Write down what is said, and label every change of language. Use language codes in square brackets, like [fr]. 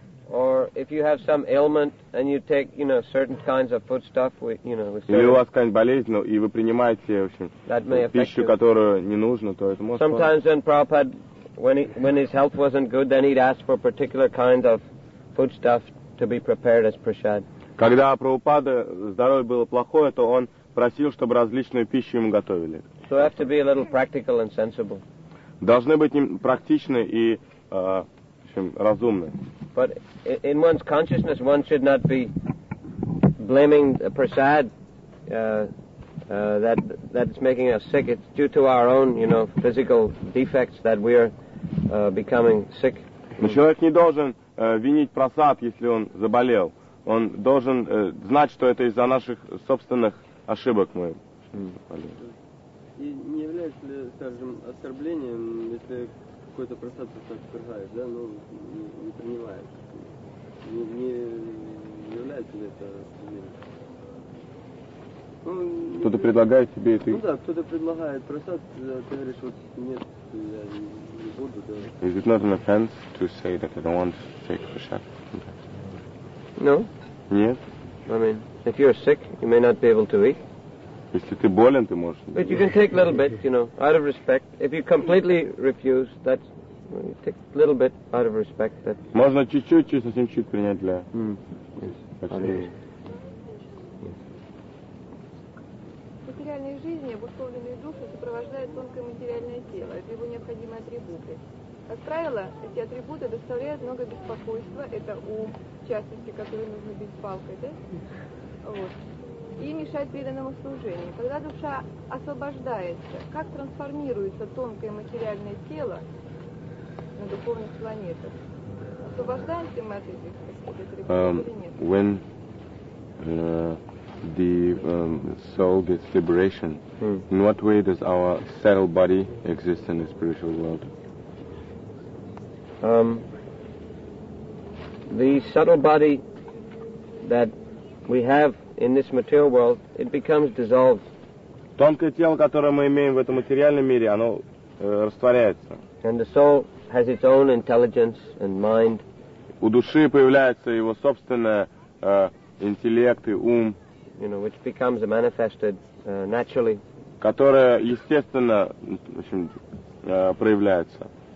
[en] Or if you have some ailment and you take, you know, certain kinds of food stuff, we, you know, we. [ru] Или у вас какая-нибудь болезнь, и вы принимаете, в общем, пищу, которую не нужно, то это может. [en] Sometimes when Prabhupada, when his health wasn't good, then he'd ask for particular kinds of food stuff to be prepared as prasad. [ru] Когда Прабхупада здоровье было плохое, то он просил, чтобы различную пищу ему готовили. [en] So have to be a little practical and sensible. [ru] Должны быть практичны и, в общем, разумны. [en] But in one's consciousness, one should not be blaming the prasad that is making us sick. It's due to our own, you know, physical defects that we are becoming sick. [ru] Но человек не должен винить прасад, если он заболел. Он должен знать, что это из-за наших собственных ошибок мы болеем. И не является ли, скажем, оскорблением, если какой-то просад отвергает, да, но не принимает. Не является ли это проблемой? Ну, кто-то предлагает тебе это. Ну да, кто-то предлагает просад, да, ты говоришь, вот нет, я не буду, да. [en] Is it not an offense to say that I don't want to take prasad? No. [ru] Нет. [en] I mean, if you're sick, you may not be able to eat. [ru] Если ты болен, ты можешь. [en] But you can take a little bit, you know, out of respect. If you completely refuse, that's, you take a little bit out of respect. That. [ru] Можно чуть-чуть, чуть совсем чуть принять для. [en] Yes. [ru] Материальная жизнь, обусловленная душа, сопровождает тонкое материальное тело, это его необходимые атрибуты. Как правило, эти атрибуты доставляют много беспокойства. Это ум, в частности, который нужно бить палкой, да? Вот. И мешать преданному служению. Когда душа освобождается, как трансформируется тонкое материальное тело на духовных планетах? Освобождаемся мы от этих атрибутов? [en] When the soul gets liberation, in what way does our subtle body exist in the spiritual world? The subtle body that we have in this material world, it becomes dissolved. [ru] Тонкое тело, которое мы имеем в этом материальном мире, оно растворяется. [en] And the soul has its own intelligence and mind. [ru] У души появляется его собственное интеллект и ум. [en] You know, which becomes manifested naturally. [ru] Которое естественно, в общем, проявляется.